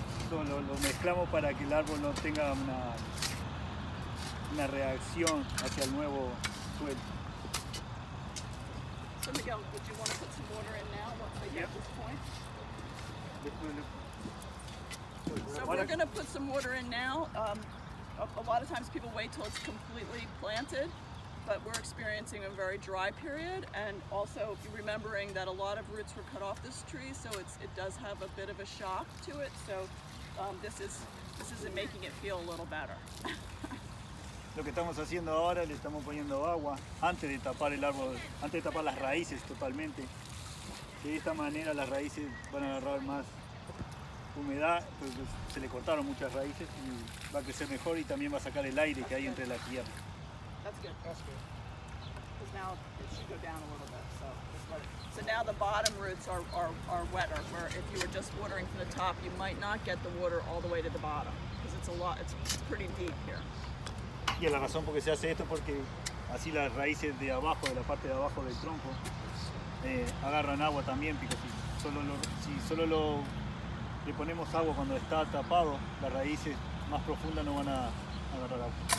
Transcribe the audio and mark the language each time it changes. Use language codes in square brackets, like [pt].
[es] Lo mezclamos para que el árbol no tenga una reacción hacia el nuevo suelo. [en] So Miguel, would you want to put some water in now once they get this point? So we're going to put some water in now. A lot of times people wait till it's completely planted, but we're experiencing a very dry period, and also remembering that a lot of roots were cut off this tree, so it does have a bit of a shock to it. So this isn't making it feel a little better. [es] Lo que estamos haciendo ahora, le estamos poniendo agua antes de tapar el árbol, antes de tapar las raíces totalmente. De esta manera las raíces van a agarrar más humedad, pues se le cortaron muchas raíces y va a crecer mejor y también va a sacar el aire que hay entre la tierra. [en] That's good. That's good. Because now it should go down a little bit. So now the bottom roots are wetter, where if you were just watering from the top, you might not get the water all the way to the bottom. Because it's pretty deep here. [es] Y la razón por qué se hace esto es porque así las raíces de abajo, de la parte de abajo del tronco, agarran agua también, porque si solo le ponemos agua cuando está tapado, las raíces más profundas no van a agarrar agua.